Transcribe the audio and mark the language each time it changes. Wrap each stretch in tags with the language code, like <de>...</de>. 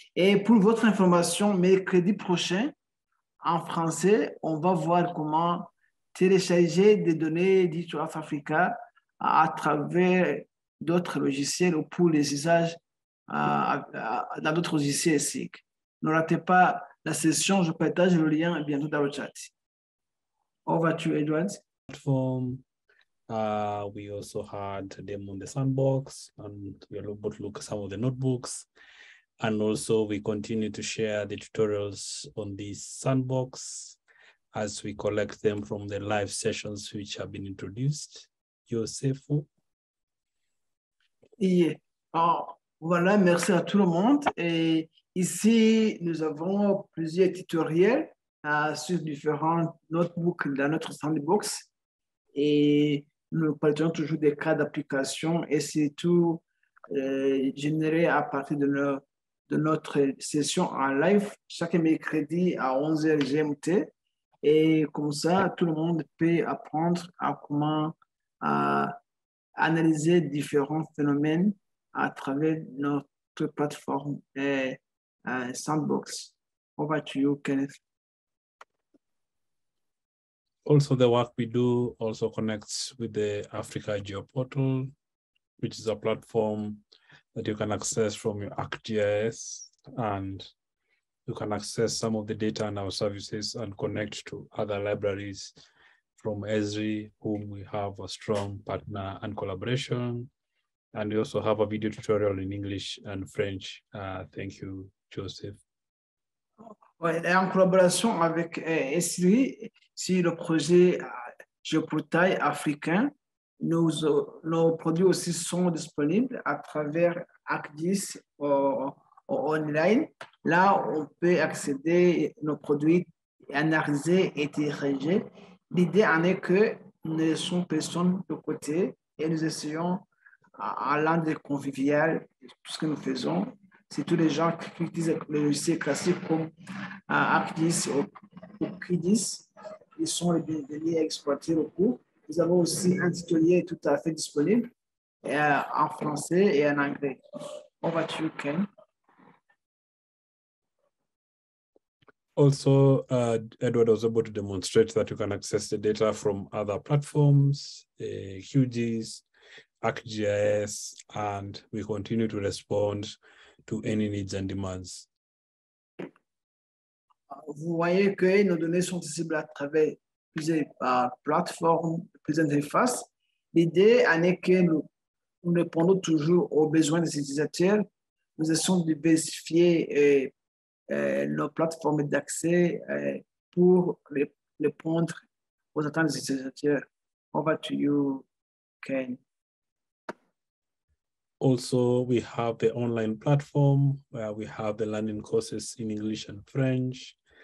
<fr>Et pour votre information, mercredi prochain, en français, on va voir comment télécharger des données d'Itraf Africa à travers d'autres logiciels ou pour les usages dans d'autres logiciels SIC. Ne ratez pas la session, je partage le lien bientôt dans le chat.</fr> <en>Over to Edward. Platform, we also had a demo on the sandbox and we are about to look at some of the notebooks. And also we continue to share the tutorials on the sandbox as we collect them from the live sessions which have been introduced. Yosefu.</en> <fr>Voilà, merci à tout le monde. Et ici, nous avons plusieurs tutoriels sur différents notebooks dans notre sandbox. Et nous partageons toujours des cas d'application et c'est tout généré à partir de notre session en live chaque mercredi à 11h GMT. Et comme ça, tout le monde peut apprendre à comment analyser différents phénomènes à travers notre plateforme et Sandbox.</fr> <en>Over to you, Kenneth. Also, the work we do also connects with the Africa GeoPortal, which is a platform that you can access from your ArcGIS, and you can access some of the data and our services and connect to other libraries from Esri, whom we have a strong partner and collaboration. And we also have a video tutorial in English and French. Thank you, Joseph.</en> <fr>Ouais, en collaboration avec Esri, sur le projet GeoPortal africain, nos produits aussi sont disponibles à travers ArcGIS online. Là, on peut accéder à nos produits, analyser et diriger. L'idée en est que nous ne laissons personne de côté et nous essayons, en langue conviviale, tout ce que nous faisons. C'est tous les gens qui utilisent le logiciel classique comme ArcGIS ou QGIS. Ils sont les bienvenus à exploiter le cours. Nous avons aussi un tutoriel tout à fait disponible en français et en anglais.</fr> <en>On va tu, Ken. Also, Edward was able to demonstrate that you can access the data from other platforms, QGIS, ArcGIS, and we continue to respond to any needs and demands.</en> <fr>Vous voyez que nos données sont accessibles à travers plusieurs plateformes, plusieurs interfaces. L'idée en est que nous répondons toujours aux besoins des utilisateurs. Nous essayons de diversifier nos plateformes d'accès pour répondre aux attentes des utilisateurs.</fr> <en>Over to you, Ken. Also, we have the online platform where we have the learning courses in English and French.</en>